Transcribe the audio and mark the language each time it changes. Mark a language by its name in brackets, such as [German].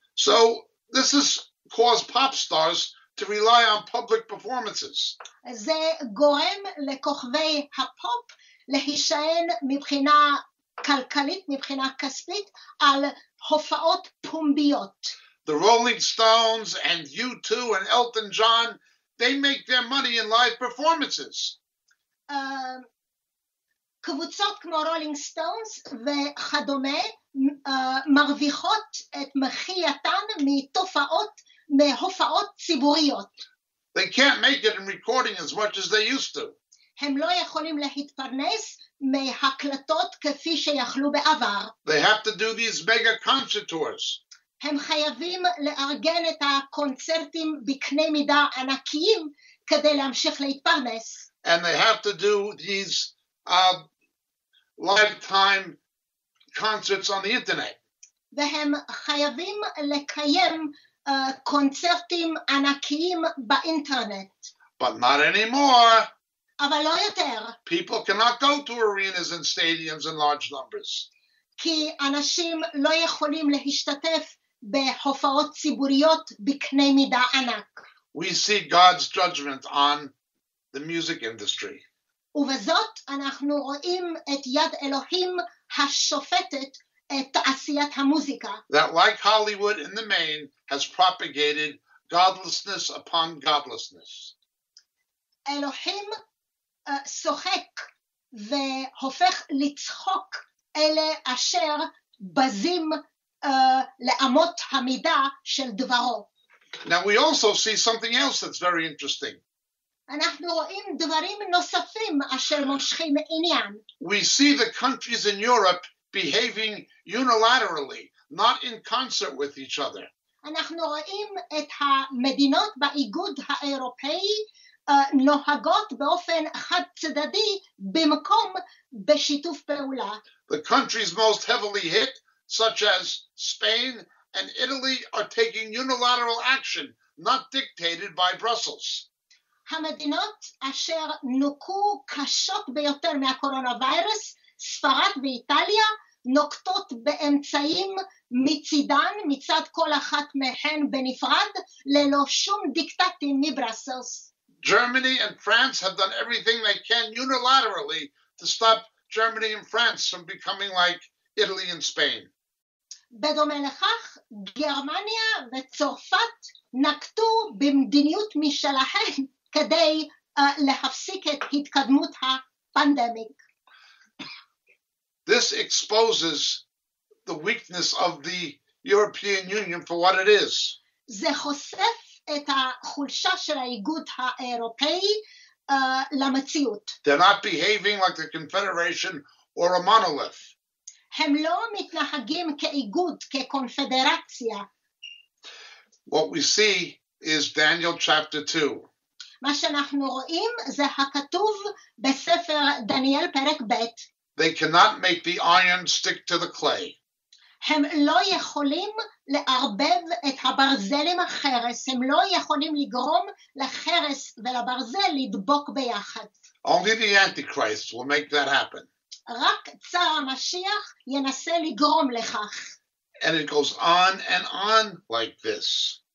[English] So this has caused pop stars to rely on public performances. [Hebrew] זה גורם לכוכבי הפופ להישען מבחינה כלכלית, מבחינה כספית, על הופעות פומביות. [English] The Rolling Stones and U2 and Elton John, they make their money in live performances. [Hebrew] קבוצות כמו Rolling Stones וכדומה מרוויחות את מחייתן מהופעות ציבוריות. [English] They can't make it in recording as much as they used to. [Hebrew] הם לא יכולים להתפרנס מהקלטות כפי שיכלו בעבר. [English] They have to do these mega concert tours. [Hebrew] הם חייבים לארגן את הקונצרטים בקנה מידה ענקיים כדי להמשיך להתפרנס. [English] And they have to do these lifetime concerts on the internet. [Hebrew] והם חייבים לקיים קונצרטים ענקיים באינטרנט. [English] But not anymore. [Hebrew] אבל לא יותר. [English] People cannot go to arenas and stadiums in large numbers. [Hebrew] כי אנשים לא יכולים להשתתף בהופעות ציבוריות בקנה מידה ענק. [English] We see God's judgment on the music industry. [Hebrew] ובזאת אנחנו רואים את יד אלוהים השופטת את תעשיית המוזיקה. [English] That like Hollywood in the main has propagated godlessness upon godlessness. [Hebrew] אלוהים שוחק והופך לצחוק אלה אשר בזים לאמות המידה של דברו. [English] Now we also see something else that's very interesting. [Hebrew] אנחנו רואים דברים נוספים אשר מושכים עניין. [English] We see the countries in Europe behaving unilaterally, not in concert with each other. [Hebrew] אנחנו רואים את המדינות באיגוד האירופאי נוהגות באופן חד צדדי במקום בשיתוף פעולה. [English] The countries most heavily hit, such as Spain and Italy, are taking unilateral action, not dictated by Brussels. [Hebrew] המדינות אשר נוקו קשות ביותר מהקורונה-וירוס, ספרד ואיטליה, נוקטות באמצעים מצידן, מצד כל אחת מהן בנפרד, ללא שום דיקטטים מברסלס. [English] Germany and France have done everything they can unilaterally to stop Germany and France from becoming like Italy and Spain. [Hebrew] בדומה לכך, גרמניה וצרפת נקטו במדיניות משלהן כדי להפסיק את התקדמות הפנדמיק. [English] This exposes the weakness of the European Union for what it is. [Hebrew] זה חושף את החולשה של האיגוד האירופאי למציאות. [English] They're not behaving like the confederation or a monolith. [Hebrew] הם לא מתנהגים כאיגוד, כקונפדרציה. [English] What we see is Daniel chapter 2. [Hebrew] מה שאנחנו רואים זה הכתוב בספר דניאל פרק ב'. [English] They cannot make the iron stick to the clay. [Hebrew] הם לא יכולים לערבב את הברזל עם החרס, הם לא יכולים לגרום לחרס ולברזל לדבוק ביחד. [English] Only the Antichrist will make that happen. [Hebrew] רק צר המשיח ינסה לגרום לכך. [English] And it goes on and on like this.